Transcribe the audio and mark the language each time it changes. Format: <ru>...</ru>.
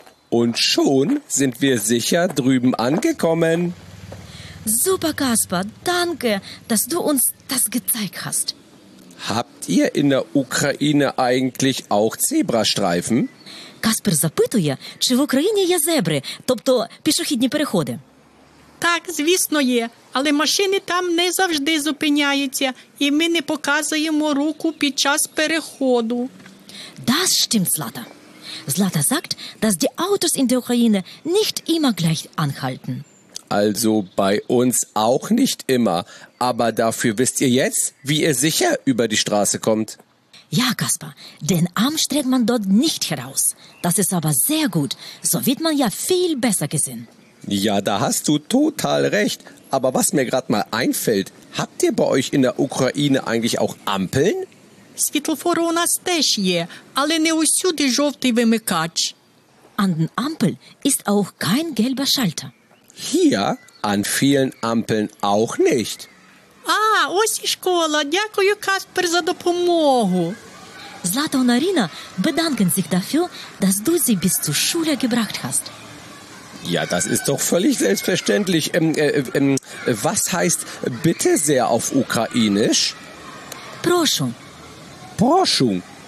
<de>Und schon sind wir sicher drüben angekommen. Super, Kasper. Danke, dass du uns das gezeigt hast. Habt ihr in der Ukraine eigentlich auch Zebrastreifen?</de> <uk>Kasper запитує, чи в Україні є зебри, тобто пішохідні переходи. Так, звісно, є, але машини там не завжди зупиняються, і ми не показуємо руку під час переходу.</uk> <de>Das stimmt, Zlata. Zlata sagt, dass die Autos in der Ukraine nicht immer gleich anhalten. Also bei uns auch nicht immer, aber dafür wisst ihr jetzt, wie ihr sicher über die Straße kommt. Ja, Kasper, den Arm streckt man dort nicht heraus. Das ist aber sehr gut, so wird man ja viel besser gesehen. Ja, da hast du total recht. Aber was mir gerade mal einfällt, habt ihr bei euch in der Ukraine eigentlich auch Ampeln?</de> <uk>Світлофори у нас теж є, але не усюди жовтий вимикач.</uk> <de>An den Ampeln ist auch kein gelber Schalter. Hier an vielen Ampeln auch nicht.</de> <uk>Ah, ось і школа. Дякую, Каспер, за допомогу.</uk> <de>Злата und Арина bedanken sich dafür, dass du sie bis zur Schule gebracht hast. Ja, das ist doch völlig selbstverständlich. Was heißt bitte sehr auf Ukrainisch?</de> <uk>Прошу. Прошу.</uk>